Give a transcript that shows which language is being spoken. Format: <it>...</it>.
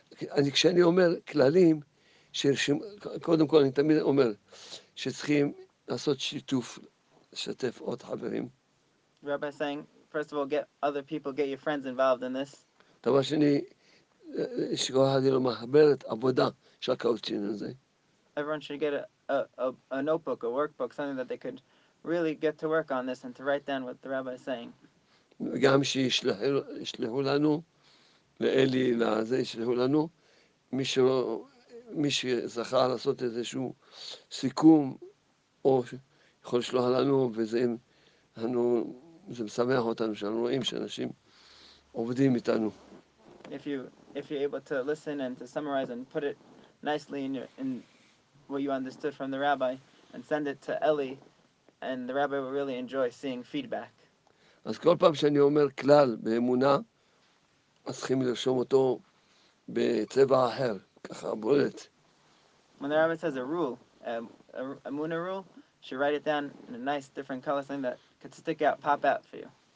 <he>אני כשאני אומר כללים, קודם כל אני תמיד אומר שצריכים לעשות שיתוף, לשתף עוד חברים.</he> <en>Rabbi is saying, first of all, get other people, get your friends involved in this.</en> <he>דבר שני, שכל אחד יהיה לו מחברת עבודה של הקאוצ'ין הזה.</he> <en>Everyone should get a notebook, a workbook, something that they could really get to work on this and to write down what the rabbi is saying.</en> <he>גם שישלחו לנו, לאלי, לזה, ישלחו לנו, מי שזכה לעשות איזשהו סיכום, או יכול לשלוח לנו, וזה משמח אותנו שאנחנו רואים שאנשים עובדים איתנו.</he> <en>If you're able to listen and to summarize and put it nicely in what you understood from the rabbi, and send it to Eli, and the rabbi will really enjoy seeing feedback.</en> <he>אז כל פעם שאני אומר כלל באמונה, צריכים לרשום אותו בצבע אחר, ככה בולט.</he> <en>When the rabbi says a rule, a emuna rule, you should write it down in a nice different color, something that could stick out, pop out for you.</en>